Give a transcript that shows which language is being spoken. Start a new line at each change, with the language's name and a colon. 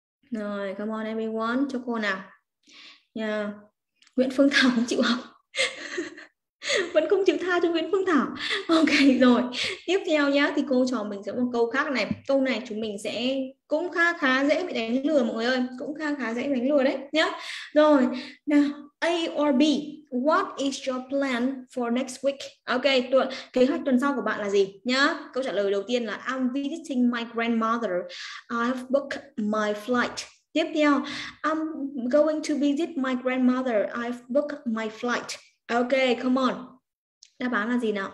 Vietnamese: Rồi,
English: come on everyone,
Vietnamese: cho cô nào. Nguyễn Phương Thảo không chịu học. Vẫn không chịu tha cho Nguyễn Phương Thảo. Ok rồi, tiếp theo nhá, thì cô trò mình sẽ một câu khác này. Câu này chúng mình sẽ cũng khá khá dễ bị đánh lừa mọi người ơi, cũng khá khá dễ đánh lừa đấy nhá. Rồi, nào,
English: A or B, what is your plan for next week?
Vietnamese: Ok, kế hoạch tuần sau của bạn là gì nhá? Câu trả lời đầu tiên là
English: I'm visiting my grandmother, I've booked my flight.
Vietnamese: Tiếp theo,
English: I'm going to visit my grandmother, I've booked my flight. Ok, come on.
Vietnamese: Đáp án là gì nào?